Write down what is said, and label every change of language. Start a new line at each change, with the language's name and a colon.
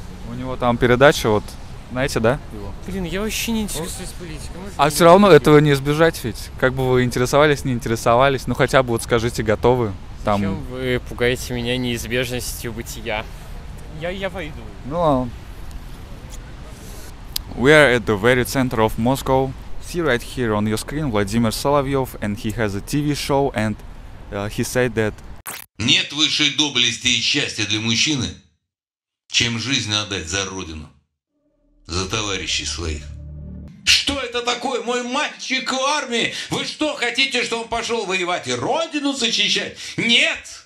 Russian: У него там передача, вот, знаете, да? Блин, я вообще не интересуюсь политикой. А все равно говорить? Этого не избежать ведь. Как бы вы интересовались, не интересовались, ну хотя бы вот скажите, готовы? Там... Зачем вы пугаете меня неизбежностью бытия? Я войду. Ну ладно.
English: We are at the very center of Moscow. See right here on your screen Vladimir Solovyov, and he has a TV show, and he said that...
Russian: Нет высшей доблести и счастья для мужчины, чем жизнь отдать за родину, за товарищей своих. Что это такое? Мой мальчик в армии! Вы что, хотите, чтобы он пошел воевать и родину защищать? Нет!